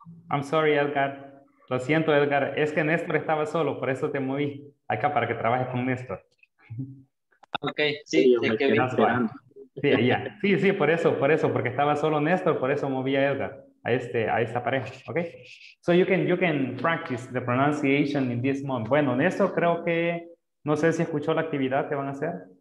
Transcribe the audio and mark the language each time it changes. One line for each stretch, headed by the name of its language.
English: I'm sorry, Edgar.
Spanish: Lo siento,
English: Edgar.
Spanish: Es que Néstor estaba solo, por eso te moví acá para que trabajes con Néstor. Okay, sí, sí, que bien. Sí, ya. Sí, sí, por eso, porque estaba solo Néstor, por eso movía a Edgar, a este, a esta pareja, ¿ok?
English: So you can practice the pronunciation in this moment.
Spanish: Bueno, Néstor, creo que, no sé si escuchó la actividad que van a hacer.